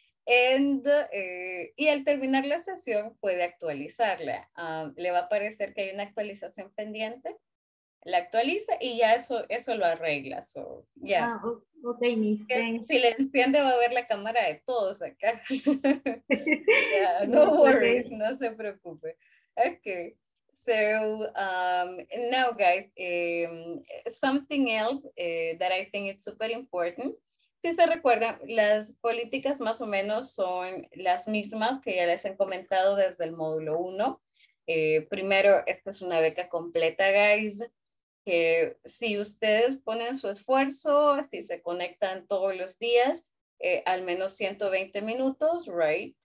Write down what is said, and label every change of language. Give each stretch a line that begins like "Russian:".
English: And,
Spanish: y al terminar la sesión, puede actualizarla. Le va a parecer que hay una actualización pendiente. La actualiza y ya eso lo arregla.
English: So, yeah. Ah, okay, Miss.
Spanish: Si la enciende, va a ver la cámara de todos acá.
English: Yeah, no worries, okay.
Spanish: No se preocupe.
English: Okay. So, now guys, something else that I think is super important.
Spanish: Si se recuerdan, las políticas más o menos son las mismas que ya les he comentado desde el módulo 1. Primero, esta es una beca completa, guys. Que si ustedes ponen su esfuerzo, si se conectan todos los días, al menos 120 minutos,
English: right?